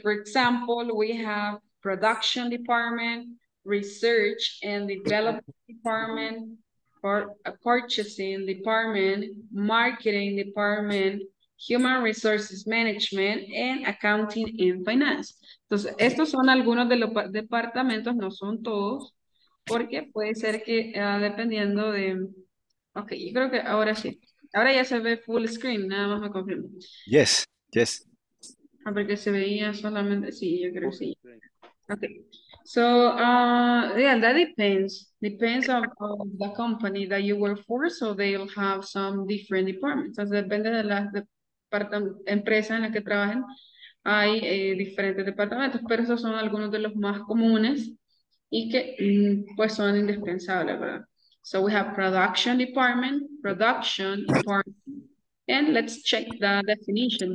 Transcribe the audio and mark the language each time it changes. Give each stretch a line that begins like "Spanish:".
English: For example, we have production department, research and development department, or a purchasing department, marketing department, human resources management, and accounting and finance.
Spanish: Entonces, estos son algunos de los departamentos, no son todos, porque puede ser que dependiendo de... Ok, yo creo que ahora sí. Ahora ya se ve full screen, nada más me confirmo.
English: Yes, yes.
Spanish: Ah, porque se veía solamente... Sí, yo creo que sí. Ok.
English: So, yeah, that depends. Depends on the company that you work for, so they'll have some different departments.
Spanish: Entonces, depende de las... empresas en las que trabajen, hay diferentes departamentos, pero esos son algunos de los más comunes y que pues son indispensables, ¿verdad?
English: So we have production department, and let's check the definition.